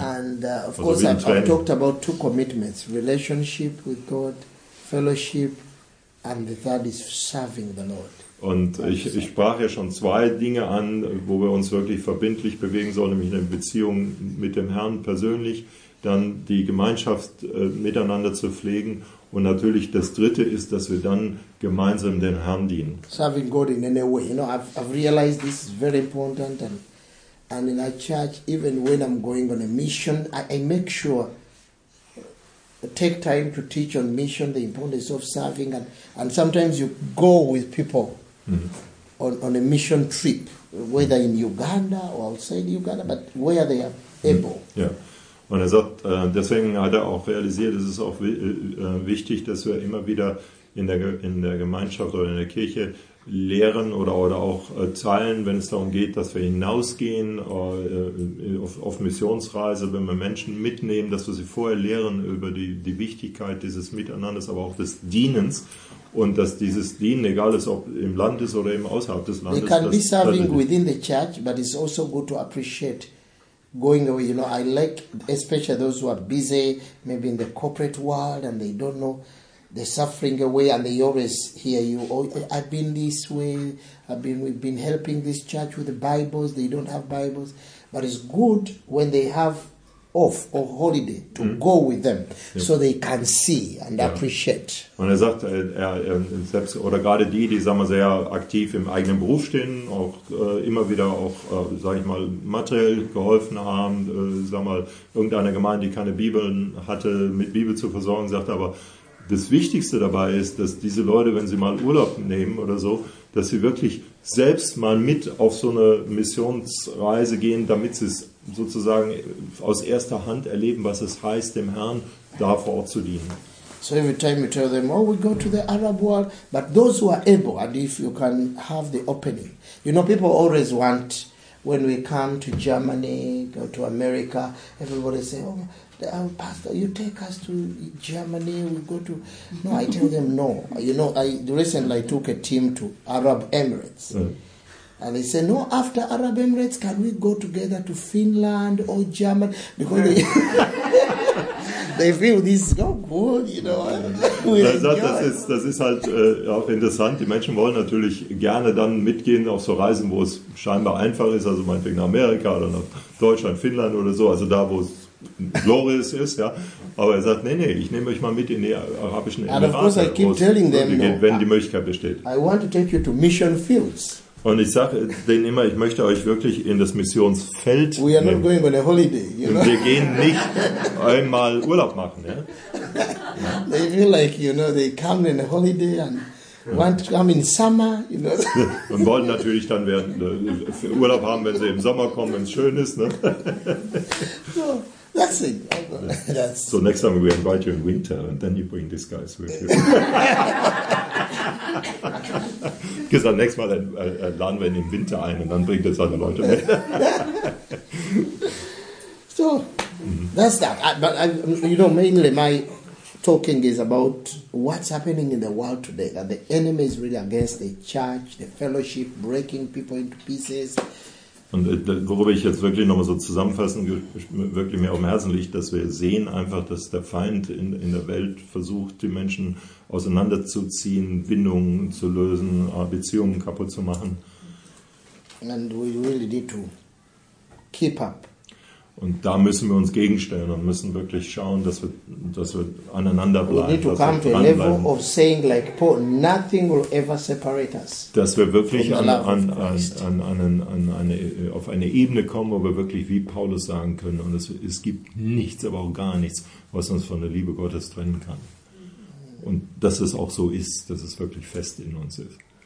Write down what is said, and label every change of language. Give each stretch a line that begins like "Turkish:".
German: Ja.
English: And of course, also I've talked about two commitments: relationship with God, fellowship. And the third is serving the Lord.
German: Und ich sprach ja schon zwei Dinge an, wo wir uns wirklich verbindlich bewegen sollen, nämlich in der Beziehung mit dem Herrn persönlich, dann die Gemeinschaft miteinander zu pflegen, und natürlich das dritte ist, dass wir dann gemeinsam dem Herrn dienen.
English: Serving God in any way. You know, I've realized this is very important, and in our church, even when I'm going on a mission, I make sure take time to teach on mission, the importance of serving, and sometimes you go with people on a mission trip, whether in Uganda or outside Uganda, but where they are able.
German: Ja, und er sagt, deswegen hat er auch realisiert, es ist auch wichtig, dass wir immer wieder in der Gemeinschaft oder in der Kirche lehren oder auch teilen, wenn es darum geht, dass wir hinausgehen auf Missionsreise, wenn wir Menschen mitnehmen, dass wir sie vorher lehren über die Wichtigkeit dieses Miteinanders, aber auch des Dienens, und dass dieses Dienen, egal ist, ob im Land ist oder eben außerhalb des Landes.
English: You can be serving within the church, but it's also good to appreciate going away. You know, I like especially those who are busy, maybe in the corporate world, and they don't know they're suffering away, and they always hear you. Oh, I've been this way. We've been helping this church with the Bibles. They don't have Bibles, but it's good when they have off or holiday to go with them, so they can see and appreciate.
German: Und er sagt, er selbst oder gerade die sagen wir, sehr aktiv im eigenen Beruf stehen, auch immer wieder auch, sage ich mal, materiell geholfen haben, sag mal, irgendeine Gemeinde, die keine Bibeln hatte, mit Bibel zu versorgen, sagt aber, das Wichtigste dabei ist, dass diese Leute, wenn sie mal Urlaub nehmen oder so, dass sie wirklich selbst mal mit auf so eine Missionsreise gehen, damit sie es sozusagen aus erster Hand erleben, was es heißt, dem Herrn da vor Ort zu dienen.
English: So every time you tell them, oh, we go to the Arab world, but those who are able, and if you can have the opening. You know, people always want, when we come to Germany, go to America, everybody say, oh, Pastor, you take us to Germany, we go to... No, I tell them no. You know, I recently took a team to Arab Emirates. And they said, no, after Arab Emirates, can we go together to Finland or Germany? Because they... They feel this is so good, you know.
German: Das ist halt auch interessant. Die Menschen wollen natürlich gerne dann mitgehen auf so Reisen, wo es scheinbar einfach ist, also meinetwegen nach Amerika oder nach Deutschland, Finnland oder so, also da, wo es glorious ist, ja. Aber er sagt, nee, ich nehme euch mal mit in die arabischen Emirate,
English: and of course I keep telling them,
German: wenn die Möglichkeit besteht.
English: I want to take you to mission fields.
German: Und ich sage denen immer, ich möchte euch wirklich in das Missionsfeld nehmen.
English: We are not going on a holiday, you know?
German: Wir gehen nicht einmal Urlaub machen, ja.
English: They feel like, you know, they come in a holiday and want to come in summer, you know.
German: Und wollen natürlich dann Urlaub haben, wenn sie im Sommer kommen, wenn es schön ist, ne?
English: That's it. That's so next time we invite you in winter and then you bring these guys with you. Because the next time we
German: laden wir in den Winter ein und dann bringt er seine Leute mit.
English: So, that's that. You know, mainly my talking is about what's happening in the world today. That the enemy is really against the church, the fellowship, breaking people into pieces.
German: Und worüber ich jetzt wirklich nochmal so zusammenfassen, wirklich mir auf dem Herzen liegt, dass wir sehen einfach, dass der Feind in der Welt versucht, die Menschen auseinanderzuziehen, Bindungen zu lösen, Beziehungen kaputt zu machen.
English: And we really need to keep up.
German: Und da müssen wir uns gegenstellen und müssen wirklich schauen, dass wir aneinander bleiben.
English: We need to come to a level of saying like Paul, nothing will ever separate us.
German: Dass wir wirklich auf eine Ebene kommen, wo wir wirklich wie Paulus sagen können, und es gibt nichts, aber auch gar nichts, was uns von der Liebe Gottes trennen kann. Und dass es auch so ist, dass es wirklich fest in uns ist.